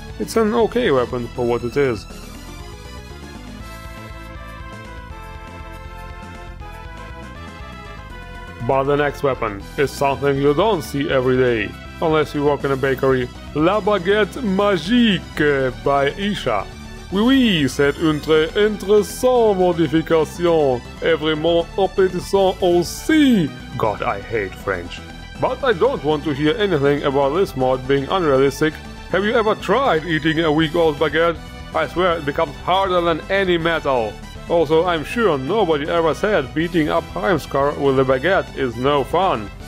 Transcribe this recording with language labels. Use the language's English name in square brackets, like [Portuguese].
[English] It's an okay weapon for what it is. But the next weapon is something you don't see every day, unless you work in a bakery. La Baguette Magique by Isha. [French] Oui, oui, c'est une très intéressante modification, et vraiment appétissant aussi. [English] God, I hate French. But I don't want to hear anything about this mod being unrealistic. Have you ever tried eating a week-old baguette? I swear, it becomes harder than any metal. Also, I'm sure nobody ever said beating up Heimskar with a baguette is no fun.